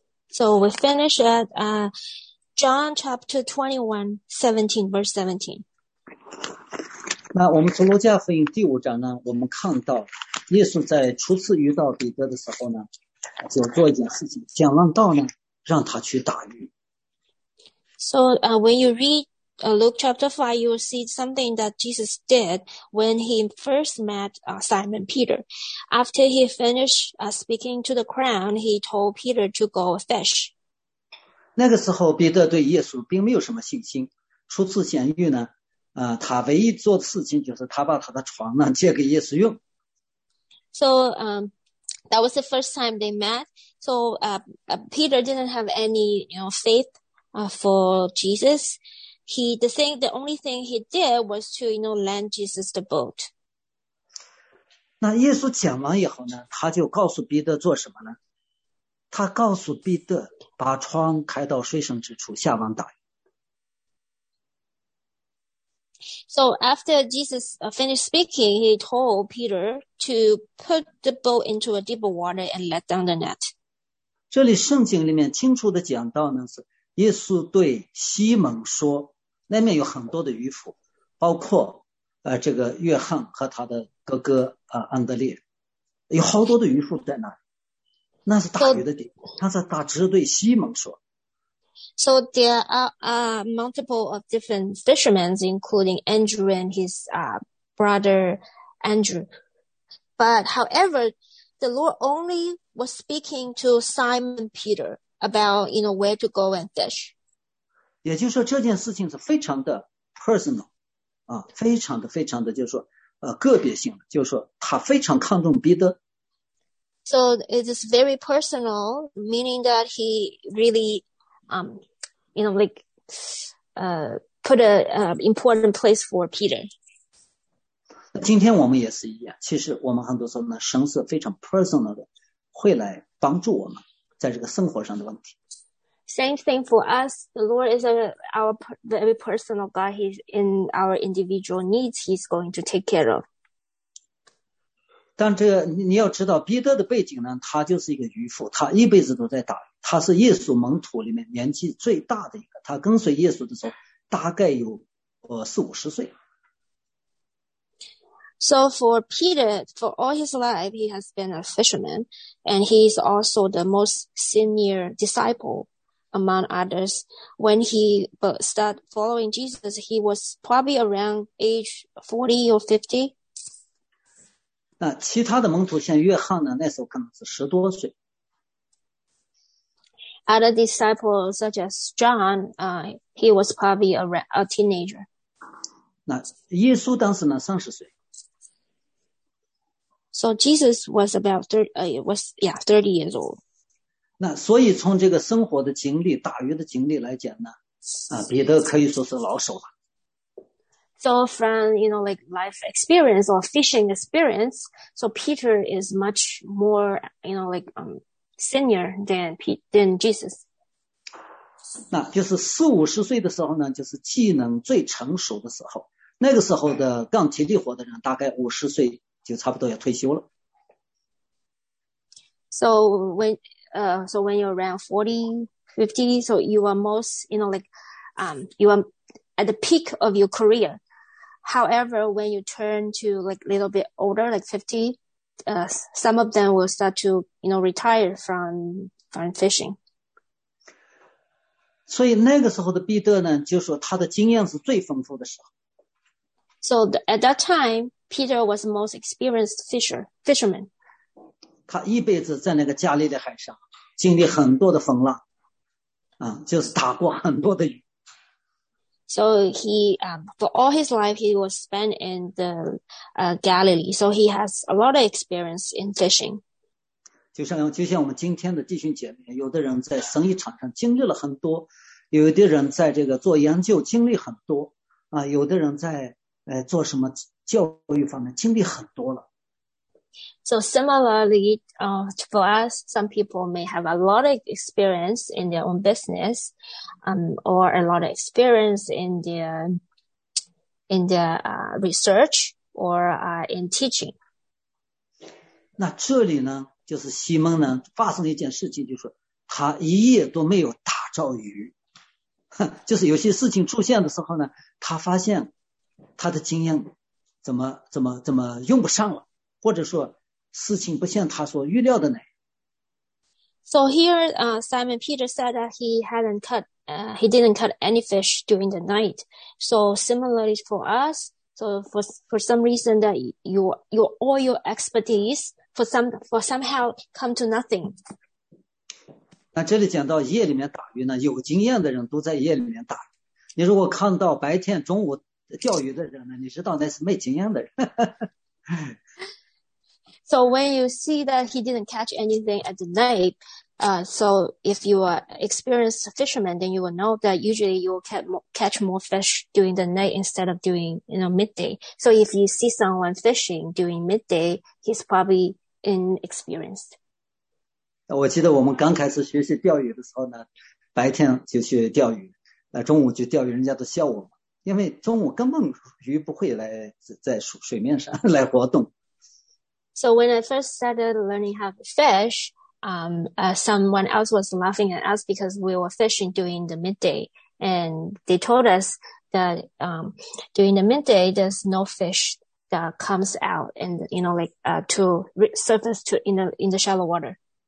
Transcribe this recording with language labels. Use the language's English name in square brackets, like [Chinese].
[English] So we finish at, John chapter 21:17, verse 17. [Chinese] 那我们从路加福音第五章呢，我们看到耶稣在初次遇到彼得的时候呢，就做一件事情，讲完道呢，让他去打鱼。 [English] So, when you read,Luke chapter 5, you will see something that Jesus did when he first met Simon Peter. After he finished speaking to the crowd, he told Peter to go fish. [Chinese] 那个时候彼得对耶稣并没有什么信心，初次显遇呢，他唯一做的事情就是他把他的床呢借给耶稣用。 [English] So, that was the first time they met. So, Peter didn't have any, you know, faith for Jesus. The only thing he did was to, you know, lend Jesus the boat. [Chinese] 那耶稣讲完以后呢，他就告诉彼得做什么呢？他告诉彼得把窗开到水深之处，下网打鱼。 [English] So after Jesus finished speaking, he told Peter to put the boat into a deeper water and let down the net. [Chinese] 这里圣经里面清楚的讲到呢，是耶稣对西门说。那面有很多的渔夫，包括这个约翰和他的哥哥安德烈，有好多的渔夫在那里，那是打鱼的地方。他在打，只是对西蒙说。 [English] So there are multiple of different fishermen, including Andrew and his brother Andrew. But however, the Lord only was speaking to Simon Peter about, you know, where to go and fish. [Chinese] 也就是说这件事情是非常的 personal, 啊，非常的非常的就是说个别性，就是说他非常看重彼得。 [English] So it is very personal, meaning that he really, you know, like, put a, important place for Peter. [Chinese] 今天我们也是一样，其实我们很多时候呢，神是非常 personal 的，会来帮助我们在这个生活上的问题。 [English] Same thing for us. The Lord is our very personal God. He's in our individual needs. He's going to take care of. [Chinese] 但这你要知道，彼得的背景呢，他就是一个渔夫，他一辈子都在打鱼。他是耶稣门徒里面年纪最大的一个。他跟随耶稣的时候，大概有40-50岁。 [English] So for Peter, for all his life, he has been a fisherman, and he's also the most senior disciple. Among others, when he started following Jesus, he was probably around age 40 or 50. [Chinese] 那其他的门徒像约翰呢，那时候可能是十多岁。 [English] Other disciples such as John, he was probably a teenager. [Chinese] 那耶稣当时呢，30岁。 [English] So Jesus was about 30, thirty years old. [Chinese] 那所以从这个生活的经历、打鱼的经历来讲呢，彼得可以说是老手了。 So from, you know, like life experience or fishing experience, so Peter is much more, you know, like, senior than Jesus. 那就是四五十岁的时候呢，就是技能最成熟的时候。那个时候的干体力活的人大概五十岁就差不多要退休了。 [English] So when you're around 40, 50, so you are most, you know, like, you are at the peak of your career. However, when you turn to like a little bit older, like 50, some of them will start to, you know, retire from fishing. [Chinese] 所以那个时候的彼得呢，就说他的经验是最丰富的时候。 [English] So at that time, Peter was the most experienced fisherman. [Chinese] 他一辈子在那个加利利海上经历很多的风浪，就是打过很多的鱼。 [English] So he, for all his life, he was spent in the, Galilee. So he has a lot of experience in fishing. [Chinese] 就像我们今天的弟兄姐妹，有的人在生意场上经历了很多，有的人在这个做研究经历很多，有的人在做什么教育方面经历很多了。 [English] So similarly, for us, some people may have a lot of experience in their own business. Or a lot of experience in their research or in teaching. [Chinese] 那这里呢，就是西蒙呢，发生一件事情，就是他一夜都没有打着鱼。就是有些事情出现的时候呢，他发现他的经验怎么用不上了，或者说事情不像他所预料的那样。 [English] So here, Simon Peter said that he didn't cut any fish during the night. So similarly for us, so for some reason that your all your expertise for somehow come to nothing. [Chinese] 那这里讲到夜里面打鱼呢，有经验的人都在夜里面打。你如果看到白天中午钓鱼的人呢，你知道那是没经验的人。 [English] So when you see that he didn't catch anything at the night, so if you are experienced fisherman, then you will know that usually you will catch more fish during the night instead of during, you know, midday. So if you see someone fishing during midday, he's probably inexperienced. [Chinese] 我记得我们刚开始学习钓鱼的时候呢，白天就去钓鱼，中午就钓鱼，人家都笑我们，因为中午根本鱼不会来在水面上来活动。 [English] So when I first started learning how to fish, someone else was laughing at us because we were fishing during the midday. And they told us that, during the midday, there's no fish that comes out and, you know, like, to surface to in the shallow water.